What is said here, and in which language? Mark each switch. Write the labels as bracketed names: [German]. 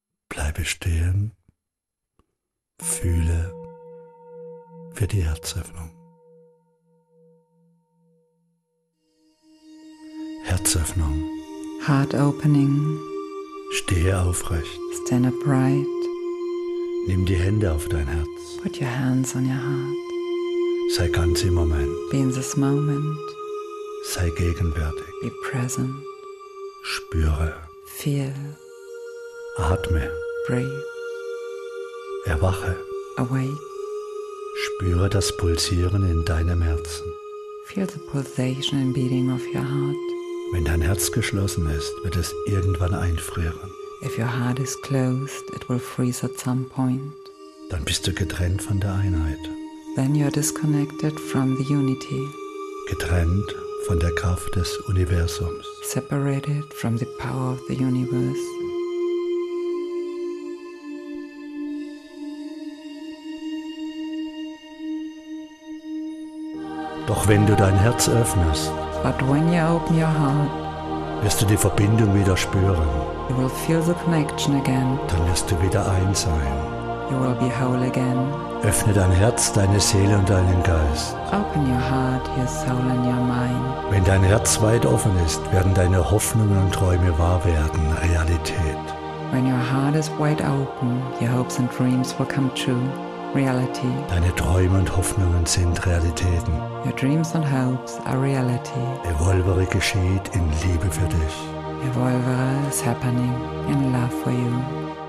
[German] Bleibe stehen, fühle für die Herzöffnung. Herzöffnung. [English] Heart opening. [German] Stehe aufrecht. [English] Stand upright. [German] Nimm die Hände auf dein Herz. [English] Put your hands on your heart. [German] Sei ganz im Moment. [English] Be in this moment. [German] Sei gegenwärtig. [English] Be present. [German] Spüre. [English] Feel. [German] Atme. [English] Breathe. [German] Erwache. [English] Awake. [German] Spüre das Pulsieren in deinem Herzen. [English] Feel the pulsation and beating of your heart. [German] Wenn dein Herz geschlossen ist, wird es irgendwann einfrieren. [English] If your heart is closed, it will freeze at some point. [German] Dann bist du getrennt von der Einheit. [English] Then you are disconnected from the unity. [German] Getrennt von der Kraft des Universums. [English] Separated from the power of the universe. [German] Doch wenn du dein Herz öffnest, [English] but when you open your heart, [German] wirst du die Verbindung wieder spüren. [English] You will feel the connection again. [German] Dann wirst du wieder eins sein. [English] You will be whole again. [German] Öffne dein Herz, deine Seele und deinen Geist. [English] Open your heart, your soul and your mind. [German] Wenn dein Herz weit offen ist, werden deine Hoffnungen und Träume wahr werden, Realität. [English] When your heart is wide open, your hopes and dreams will come true. Reality. [German] Deine Träume und Hoffnungen sind Realitäten. [English] Your dreams and hopes are reality. [German] Evolvere geschieht in Liebe für dich. [English] Evolvere is happening in love for you.